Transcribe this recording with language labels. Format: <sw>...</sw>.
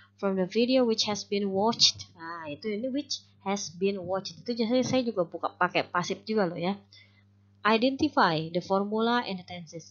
<en>From the video which has been watched.</en> <id>Nah, itu ini</id> <en>which has been watched.</en> <id>Itu jadi saya juga buka pakai pasif juga loh ya.</id> <en>Identify the formula and the tenses.</en>